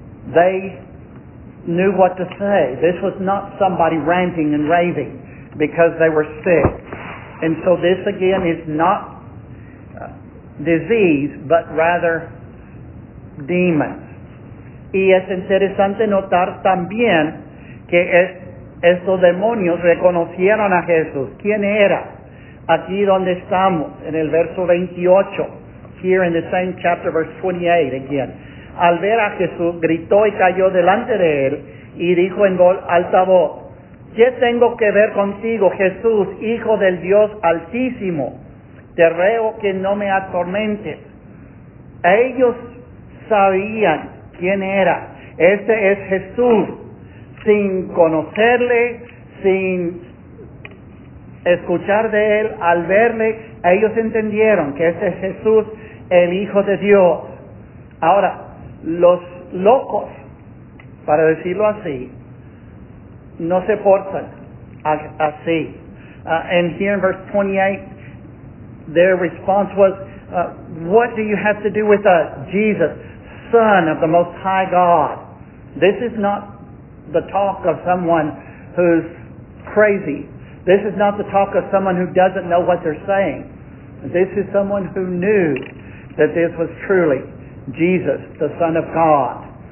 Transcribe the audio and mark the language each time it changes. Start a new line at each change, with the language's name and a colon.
English: They knew what to say. This was not somebody ranting and raving because they were sick. And so this again is not disease, but rather demons.
Spanish: Y es interesante notar también que estos demonios reconocieron a Jesús. ¿Quién era? Aquí donde estamos, en el verso 28,
English: here in the same chapter, verse 28 again.
Spanish: Al ver a Jesús, gritó y cayó delante de él, y dijo en alta voz, ¿qué tengo que ver contigo, Jesús, Hijo del Dios Altísimo? Te ruego que no me atormentes. Ellos sabían quién era. Este es Jesús, sin conocerle, sin escuchar de él, al verle, ellos entendieron que ese es Jesús, el Hijo de Dios. Ahora, los locos, para decirlo así, no se portan así.
English: And here in verse 28, their response was, what do you have to do with us, Jesus, Son of the Most High God? This is not the talk of someone who's crazy. This is not the talk of someone who doesn't know what they're saying. This is someone who knew that this was truly Jesus, the Son of God.